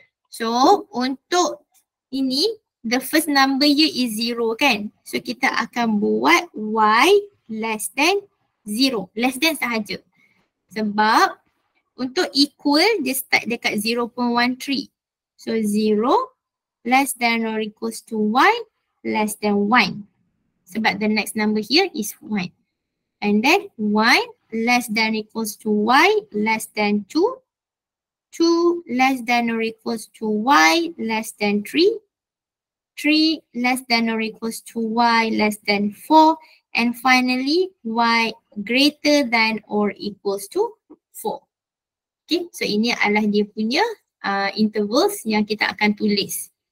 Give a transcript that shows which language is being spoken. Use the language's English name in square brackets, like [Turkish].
[English] So [Malay] untuk ini, [English] the first number you is 0 kan? [Malay] So kita akan buat y less than 0. [English] Less than sahaja. [Malay] Sebab untuk equal, dia start dekat 0.13. [English] So 0 less than or equals to y less than 1. Sebab the next number here is 1. And then 1 less than or equals to y less than 2. 2 less than or equals to y less than 3. 3 less than or equals to y less than 4. And finally, y greater than or equals to 4. [Malay] Okay, so ini adalah dia punya intervals yang kita akan tulis.